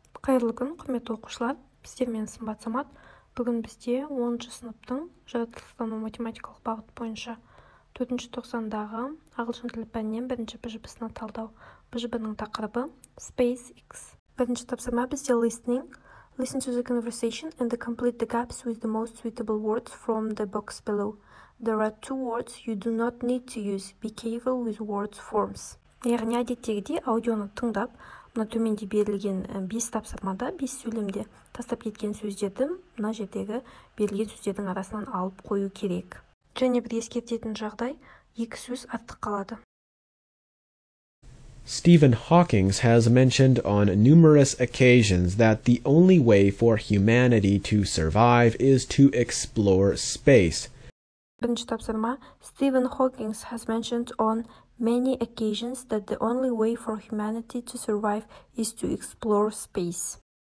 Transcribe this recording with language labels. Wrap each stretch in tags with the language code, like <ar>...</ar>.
<kk>Қайырлы күн, құрметті оқушылар, сіздермен Сымбат Самат. Бүгін бізде 10-шы сыныптың жаратылыстану-математикалық бағыт бойынша 4090-дағы ағылшын тілі пәнінен бірінші БЖБ сыныбын талдау. БЖБ-нің тақырыбы SpaceX. Бірінші тапсырма бізде listening.</kk> <en>Listen to the conversation and complete the gaps with the most suitable words from the box below. There are two words you do not need to use. Be careful with words forms.</en> <kk>Яғни әдеттегідей аудионы тыңдап, мына төменде берілген 5 тапсырмада, 5 сөйлемде тастап кеткен сөздерді мына жердегі берілген сөздердің арасынан алып қою керек. Және бір ескертетін жағдай, екі сөз артық қалады.</kk> <en>Stephen Hawking has mentioned on numerous occasions that the only way for humanity to survive is to explore space.</en> <kk>Бірінші тапсырма,</kk> <en>Stephen Hawking has mentioned on many occasions that the only way for humanity to survive is to explore space.</en>